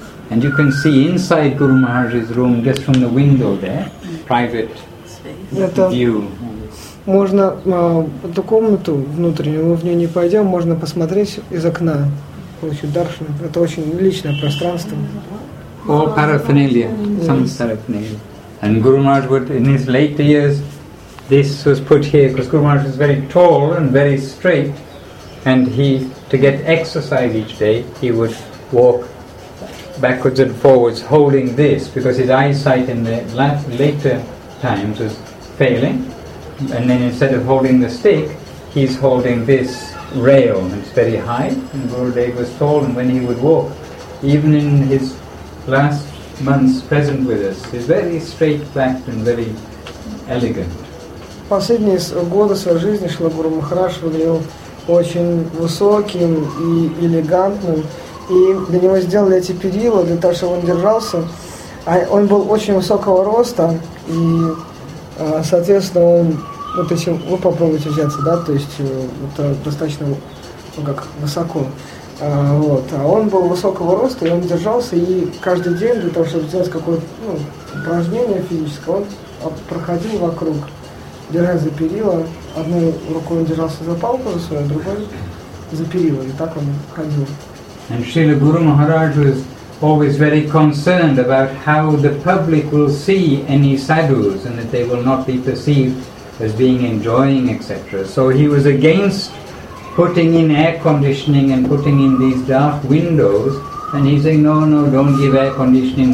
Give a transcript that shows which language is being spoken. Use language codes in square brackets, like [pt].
[en] And you can see inside Guru Maharaj's room, just from the window there, private space view. [ru] Можно эту комнату внутреннюю, мы в нее не пойдем, можно посмотреть из окна, получить даршан. Это очень личное пространство. [en] All paraphernalia, some paraphernalia. And Guru Maharaj would, in his later years, this was put here, because Guru Maharaj was very tall and very straight, and he, to get exercise each day, he would walk backwards and forwards holding this, because his eyesight in the later times was failing, and then instead of holding the stick, he's holding this rail, and it's very high, and Gurudev was tall, and when he would walk, even in his last month's present with us is very straight backed and very elegant. [ru] Последние годы своей жизни Шрила Гуру Махарадж выглядел очень высоким и элегантным, и для него сделали эти перила для того, чтобы он держался. А он был очень высокого роста, и, соответственно, он вот эти вы попробуйте взяться, да, то есть это достаточно как высоко. А он был высокого роста, и он держался, и каждый день для того, чтобы сделать какое-то упражнение физическое, он проходил вокруг, держась за перила. Одной рукой он держался за палку за свою, а другой за перила, и так он ходил. [en] And Srila Guru Maharaj was always very concerned about how the public will see any sadhus, and that they will not be perceived as being enjoying, etc. So he was against putting in air conditioning and putting in these dark windows, and he's saying, no, don't give air conditioning.